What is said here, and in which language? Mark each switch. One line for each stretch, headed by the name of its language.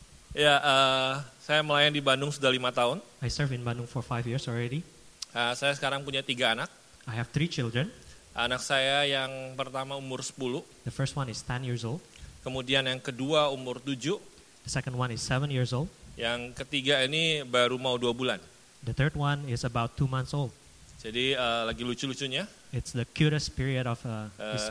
Indonesian: Yeah, saya melayani di Bandung sudah 5 tahun.
English: I serve in Bandung for 5 years already.
Indonesian: Saya sekarang punya 3 anak.
English: I have 3 children.
Indonesian: Anak saya yang pertama umur 10.
English: The first one is 10 years old.
Indonesian: Kemudian yang kedua umur 7.
English: The second one is 7 years old.
Indonesian: Yang ketiga ini baru mau 2 bulan.
English: The third one is about 2 months old.
Indonesian: Jadi lagi lucu-lucunya.
English: It's the cutest period of this